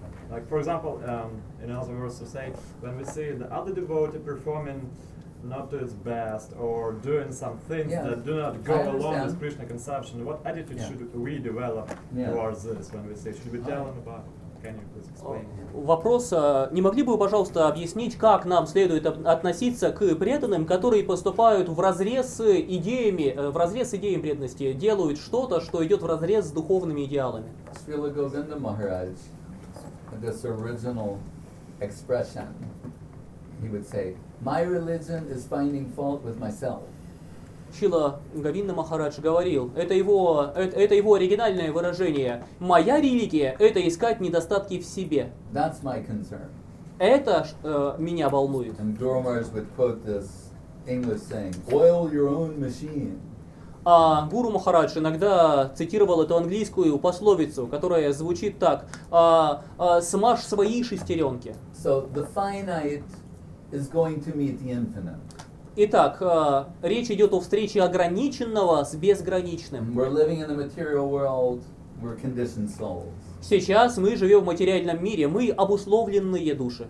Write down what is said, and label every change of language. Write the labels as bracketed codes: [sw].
[en] Like for example, in other words to say, when we see the other devotee performing not to its best or doing some things that do not go along with Krishna consumption, what attitude should we develop towards this when we say, should we tell them about it? [ru] Вопрос, не могли бы вы, пожалуйста, объяснить, как нам следует относиться к преданным, которые поступают вразрез с идеями преданности, делают что-то, что идет вразрез с духовными идеалами? [en] Srila Govinda Maharaj, this original expression, he would say, my religion is finding fault with myself. [ru] Шрила Говинда Махарадж говорил, это его оригинальное выражение. Моя религия – это искать недостатки в себе. [en] That's my concern. [ru] Это меня волнует. [en] And Guru Maharaj would quote this English saying, "Oil your own machine." [ru] А Гуру Махарадж иногда цитировал эту английскую пословицу, которая звучит так: "Смажь свои шестеренки." [en] So the finite is going to meet the infinite. [ru] Итак, речь идет о встрече ограниченного с безграничным. [en] We're living in the material world. We're conditioned souls. [ru] Сейчас мы живем в материальном мире, мы обусловленные души.